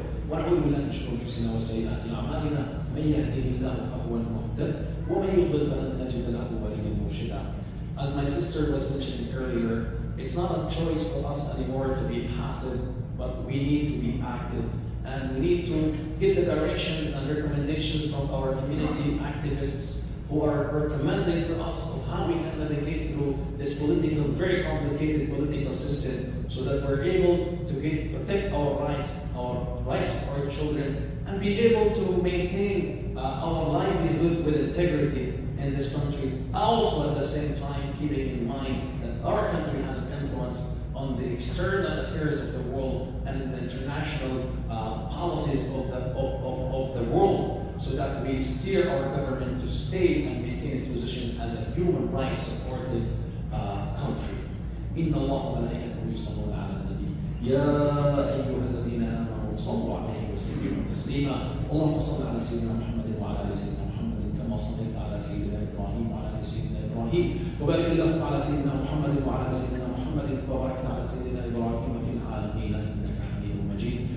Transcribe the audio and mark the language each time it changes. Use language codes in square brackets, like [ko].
[ar] ونعوذ بالله من شرور انفسنا وسيئات اعمالنا، من يهده الله فهو المهتد، ومن يضلل فلن تجد له وليا مرشدا. [en] As my sister was mentioning earlier, it's not a choice for us anymore to be passive, but we need to be active. And we need to get the directions and recommendations from our community activists who are recommending to us of how we can navigate through this political, very complicated political system, so that we're able to protect our rights for our children, and be able to maintain our livelihood with integrity in this country. Also at the same time, keeping in mind that our country has an influence on the external affairs of the world and the international policies of the world, so that we steer our government to stay and maintain its position as a human rights supportive country. [ar] إن الله وملائكته يصلون على النبي يا أيها الذين آمنوا صلوا عليه وسلموا تسليما. اللهم صل على سيدنا محمد وعلى سيدنا محمد كما صليت على سيدنا إبراهيم وعلى سيدنا إبراهيم وبارك اللهم على سيدنا محمد وعلى سيدنا محمد وبارك على سيدنا إبراهيم في العالمين إنك حميد مجيد.